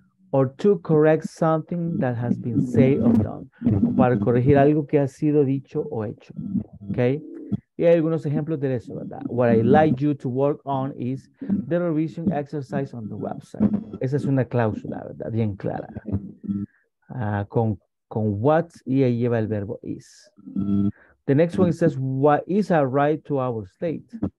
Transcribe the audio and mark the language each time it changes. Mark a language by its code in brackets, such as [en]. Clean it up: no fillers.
[en] Or to correct something that has been said or done. [es] Para corregir algo que ha sido dicho o hecho. Okay? Y hay algunos ejemplos de eso, ¿verdad? [en] What I'd like you to work on is the revision exercise on the website. [es] Esa es una cláusula, ¿verdad? Bien clara. Con what, y ahí lleva el verbo is. [en] The next one says, what is a right to our state?